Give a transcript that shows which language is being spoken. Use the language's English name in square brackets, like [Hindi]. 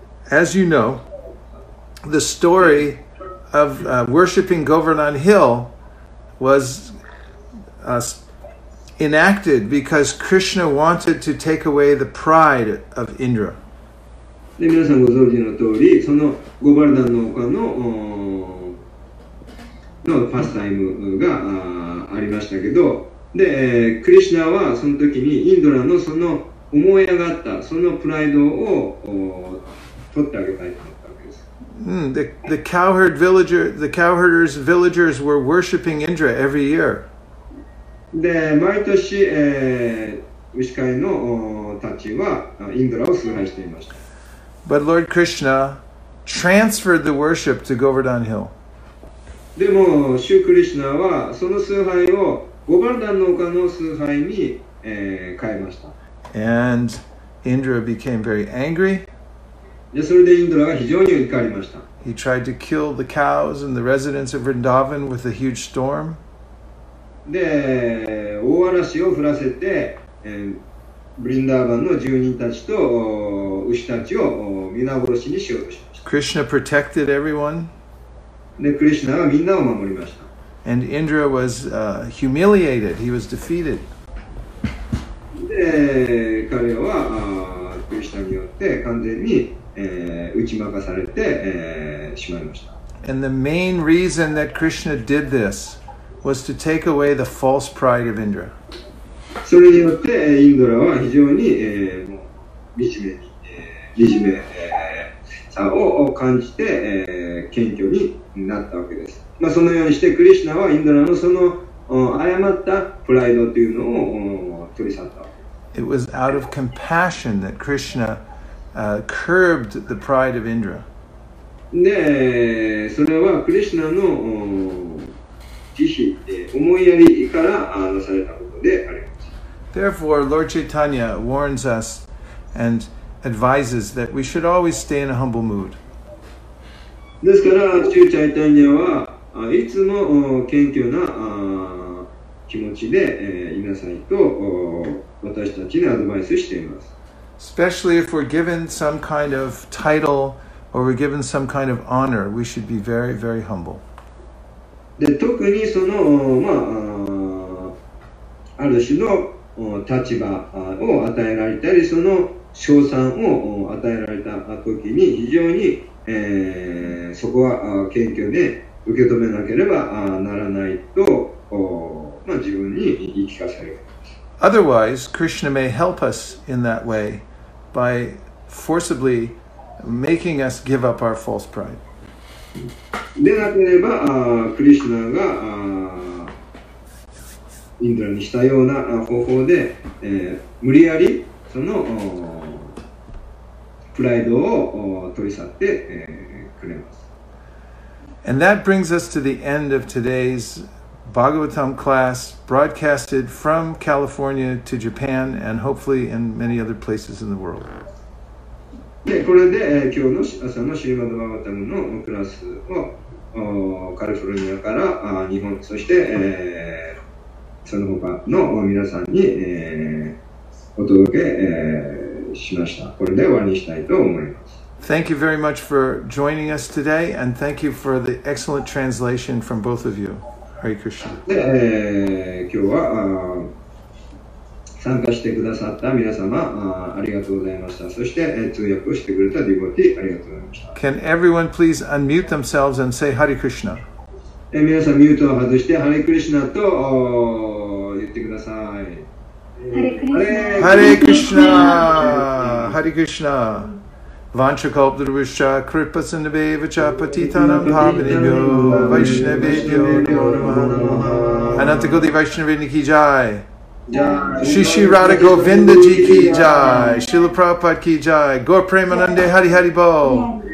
[English] As you know, the story of worshipping Govardhan Hill was enacted because Krishna wanted to take away the pride of Indra. [Japanese] で、皆さんご存知の通り、そのゴバルダンの丘の、のパスタイムがありましたけど、で、クリシュナはその時にインドラのその思い上がったそのプライドを取ってあげたいと思ったわけです。 [English] The cowherd villager, the cowherders villagers were worshipping Indra every year. [Japanese] で、毎年、牛飼いのたちはインドラを崇拝していました。 [English] But Lord Krishna transferred the worship to Govardhan Hill. [Japanese] でも、シュークリシュナはその崇拝をゴバルダンの丘の崇拝に、変えました。 [English] And Indra became very angry. [Japanese] で、それでインドラが非常に怒りました。 [English] He tried to kill the cows and the residents of Vrindavan with a huge storm. [Japanese] で、大嵐を降らせて、ブリンダーバンの住人たちと牛士たちを皆殺しにしようとしました。 [English] Krishna protected everyone. [Japanese] で、クリシュナがみんなを守りました。 [English] And Indra was humiliated. He was defeated. [Japanese] で、彼は、クリシュナによって完全に、打ち負かされて、しまいました。 [English] And the main reason that Krishna did this was to take away the false pride of Indra. [Japanese] それによって、インドラは非常に、もう惨め、さを感じて、謙虚になったわけです。まあ、そのようにして、クリシュナはインドラのその誤ったプライドというのを取り去ったわけです。 [English] It was out of compassion that Krishna curbed the pride of Indra. [Japanese] で、それはクリシュナの慈悲、思いやりからなされたことであります。 [English] Therefore, Lord Chaitanya warns us and advises that we should always stay in a humble mood. [Japanese] ですから、中チャイタニアはいつも謙虚な気持ちでいなさいと私たちにアドバイスしています。 [English] Especially if we're given some kind of title or we're given some kind of honor, we should be very, very humble. [Japanese] で、特にそのまあある種の立場を与えられたりその賞賛を与えられた時に非常に、そこは謙虚で受け止めなければならないと、まあ、自分に言い聞かされる。 [English] Otherwise, Krishna may help us in that way by forcibly making us give up our false pride. [Japanese] でなければクリシュナがインドラにしたような方法で、無理やりそのプライドを取り去って、くれます。 [English] And that brings us to the end of today's Bhagavatam class, broadcasted from California to Japan and hopefully in many other places in the world. [Japanese] で、これで、今日の朝のシリマド・バーガタムのクラスをカリフォルニアから日本、そして、その他の皆さんに、お届け、しました。これで終わりにしたいと思います。 [English] Thank you very much for joining us today, and thank you for the excellent translation from both of you. Hare Krishna. [Japanese] で、今日は参加してくださった皆様ありがとうございました。そして、通訳をしてくれたディボティありがとうございました。 [English] Can everyone please unmute themselves and say Hare Krishna? [Japanese] 皆さんミュートを外してハレクリシュナと言ってください。 [Sanskrit] ハレクリシュナ、ハレクリシュナ、ワンチャカプドルヴィシャ、クリパサンデヴィヴァチャ、パティタナムパヴィヴィヴァ、ヴァイシュナヴィヴァ、ヴァナマハ、アナタゴディヴァイシュナヴィニキジャイ、シシラダゴヴィンダジキジャイ、シラプラパッキジャイ、ゴープレマナンデハリハリボウ。